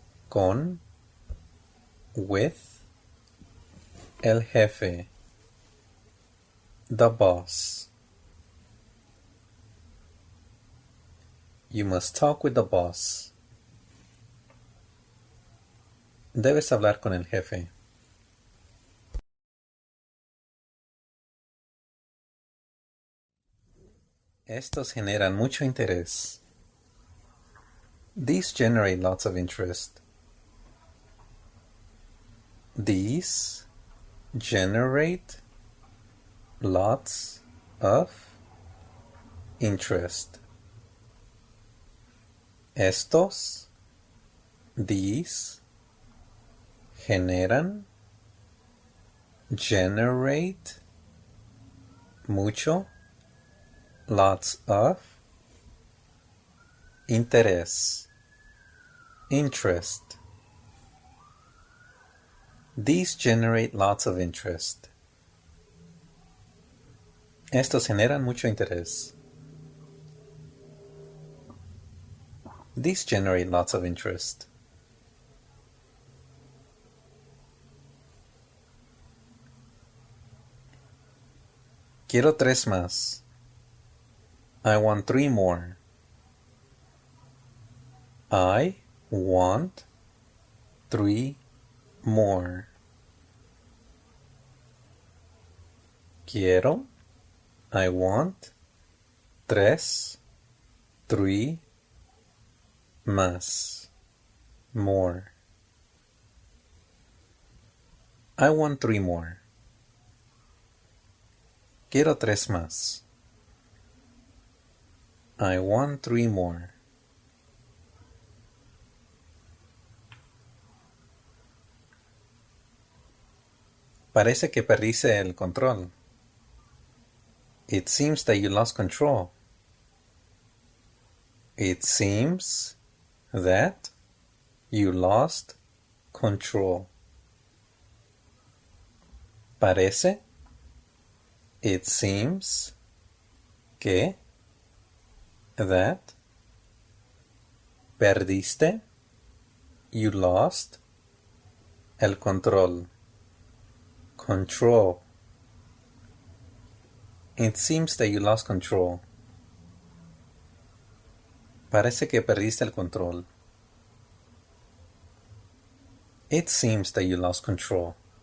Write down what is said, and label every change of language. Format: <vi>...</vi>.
<es>Con,</es> <en>with,</en> <es>el jefe,</es> <en>the boss. You must talk with the boss.</en> <es>Debes hablar con el jefe. Estos generan mucho interés.</es> <en>These generate lots of interest. These generate lots of interest.</en> <es>Estos,</es> <en>these,</en> <es>generan,</es> <en>generate,</en> <es>mucho,</es> <en>lots of,</en> <es>interés,</es> <en>interest. These generate lots of interest.</en> <es>Estos generan mucho interés.</es> <en>These generate lots of interest.</en> <es>Quiero tres más.</es> <en>I want three more. I want three more.</en> <es>Quiero.</es> <en>I want</en> <es>tres,</es> <en>three,</en> <es>más,</es> <en>more. I want three more.</en> <es>Quiero tres más.</es> <en>I want three more.</en> <es>Parece que perdiste el control.</es> <en>It seems that you lost control. It seems that you lost control.</en> <es>Parece.</es> <en>It seems</en> <es>que</es> <en>that</en> <es>perdiste.</es> <en>You lost</en> <es>el control.</es> <en>Control. It seems that you lost control.</en> <es>Parece que perdiste el control.</es> <en>It seems that you lost control.</en>